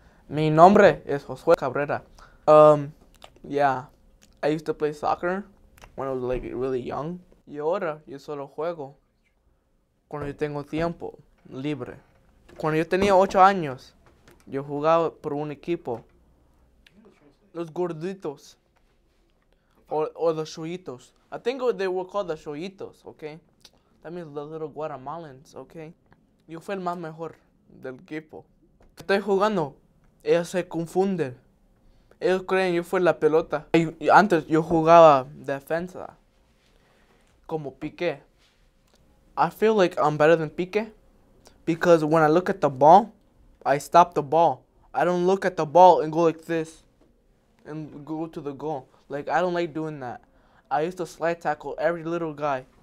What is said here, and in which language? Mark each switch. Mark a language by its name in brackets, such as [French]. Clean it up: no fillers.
[Spanish] Mi nombre es Josue Cabrera. [English] Yeah. I used to play soccer when I was like really young. [Spanish] Y ahora yo solo juego cuando yo tengo tiempo libre. Cuando yo tenía 8 años, yo jugaba por un equipo. Los gorditos. [English] Or the chuyitos. I think they were called the chuyitos, okay? That means the little Guatemalans, okay? [Spanish] Yo fui el más mejor del equipo. Estoy jugando. Ellos se confunden. Ellos creen yo fui la pelota. Antes yo jugaba defensa. Como Piqué. [English] I feel like I'm better than Piqué. Because when I look at the ball, I stop the ball. I don't look at the ball and go like this. And go to the goal. Like, I don't like doing that. I used to slide tackle every little guy.